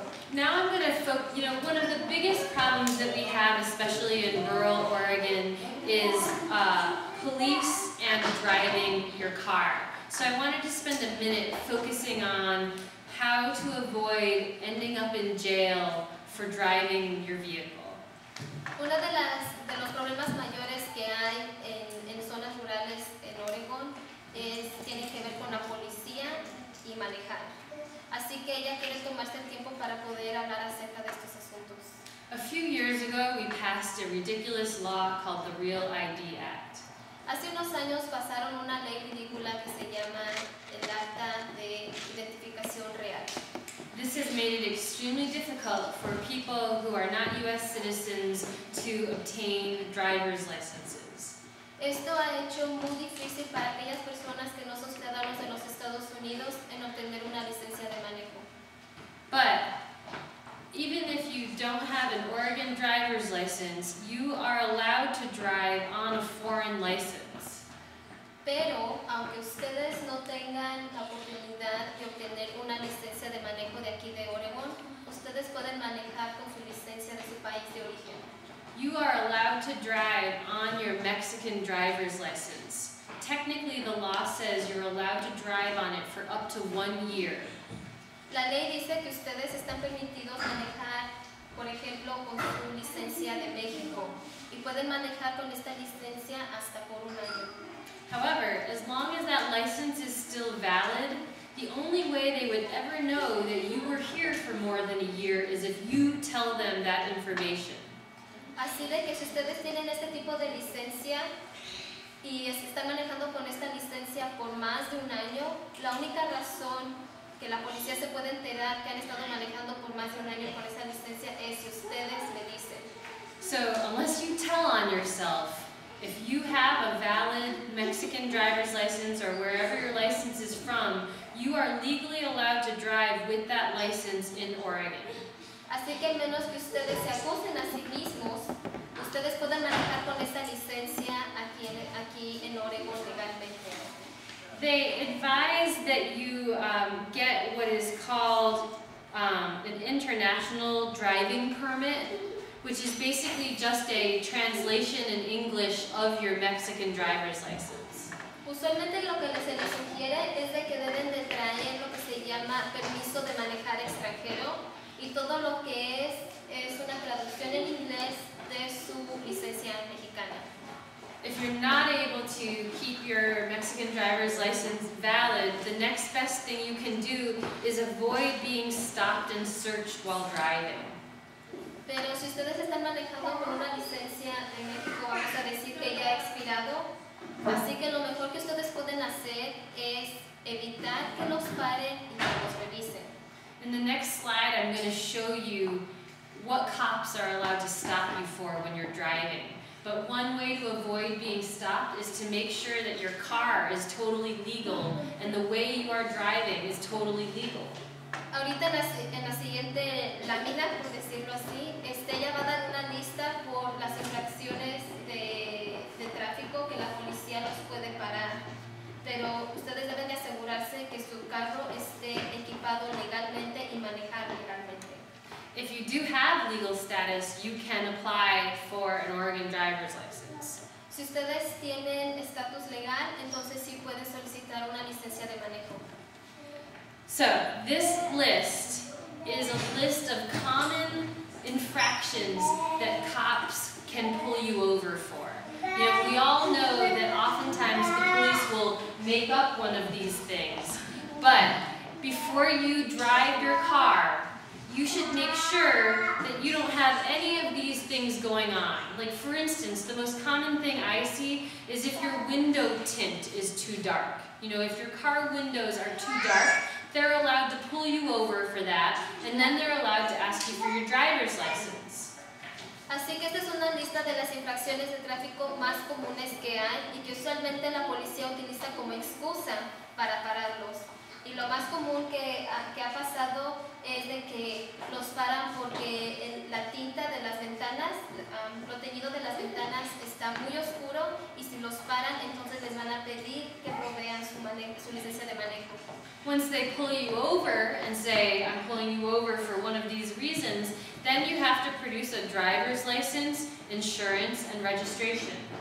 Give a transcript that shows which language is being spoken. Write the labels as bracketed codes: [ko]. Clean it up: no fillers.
[en] Now I'm going to focus, you know, one of the biggest problems that we have, especially in rural Oregon, is police and driving your car. So I wanted to spend a minute focusing on how to avoid ending up in jail for driving your vehicle. [es] Una de los problemas mayores que hay en zonas rurales en Oregon tiene que ver con la policía y manejar. Así que ella quiere tomarse el tiempo para poder hablar acerca de estos asuntos. [en] A few years ago, we passed a ridiculous law called the Real ID Act. [es] Hace unos años pasaron una ley ridícula que se llama el Acta de Identificación Real. [en] This has made it extremely difficult for people who are not U.S. citizens to obtain driver's licenses. [es] Esto ha hecho muy difícil para aquellas personas que no son ciudadanos de los Estados Unidos en obtener una licencia de manejo. [en] But even if you don't have an Oregon driver's license, you are allowed to drive on a foreign license. [es] Pero aunque ustedes no tengan la oportunidad de obtener una licencia de manejo de aquí de Oregon, ustedes pueden manejar con su licencia de su país de origen. [en] You are allowed to drive on your Mexican driver's license. Technically, the law says you're allowed to drive on it for up to 1 year. [es] La ley dice que ustedes están permitidos manejar, por ejemplo, con su licencia de México, y pueden manejar con esta licencia hasta por un año. [en] However, as long as that license is still valid, the only way they would ever know that you were here for more than a year is if you tell them that information. [es] Así de que si ustedes tienen este tipo de licencia y están manejando con esta licencia por más de un año, la única razón que la policía se puede enterar que han estado manejando por más de un año con esta licencia es si ustedes me dicen. [en] So, unless you tell on yourself, if you have a valid Mexican driver's license or wherever your license is from, you are legally allowed to drive with that license in Oregon. [es] Así que menos que ustedes se acusen a sí mismos, ustedes pueden manejar con esta licencia aquí en Oregon legalmente. [en] They advise that you get what is called an international driving permit, which is basically just a translation in English of your Mexican driver's license. [es] Usualmente lo que se les sugiere es de que deben de traer lo que se llama permiso de manejar extranjero y todo lo que es una traducción en inglés de su licencia mexicana. [en] If you're not able to keep your Mexican driver's license valid, the next best thing you can do is avoid being stopped and searched while driving. [es] Pero si ustedes están manejando con una licencia en México, vamos a decir que ya ha expirado. Así que lo mejor que ustedes pueden hacer es evitar que los paren y que los revisen. [en] In the next slide, I'm going to show you what cops are allowed to stop you for when you're driving. But one way to avoid being stopped is to make sure that your car is totally legal and the way you are driving is totally legal. [es] Ahorita en la siguiente lámina, por decirlo así, ella va a dar una lista por las infracciones de tráfico que la policía los puede parar. Pero ustedes deben de asegurarse que su carro esté equipado legalmente y manejar legalmente. [en] If you do have legal status, you can apply for an Oregon driver's license. [es] Si ustedes tienen estatus legal, entonces sí pueden solicitar una licencia de manejo. [en] So, this list is a list of common infractions that cops can pull you over for. You know, we all know that oftentimes the police will make up one of these things, but before you drive your car, you should make sure that you don't have any of these things going on. Like, for instance, the most common thing I see is if your window tint is too dark. You know, if your car windows are too dark, they're allowed to pull you over for that, and then they're allowed to ask you for your driver's license. [es] Así que esta es una lista de las infracciones de tráfico más comunes que hay y que usualmente la policía utiliza como excusa para pararlos. Y lo más común que ha pasado es de que los paran porque la tinta de las ventanas, lo teñido de las ventanas está muy oscuro y si los paran, entonces les van a pedir que provean su licencia de manejo. [en] Once they pull you over and say, I'm pulling you over for one of these reasons, then you have to produce a driver's license, insurance, and registration.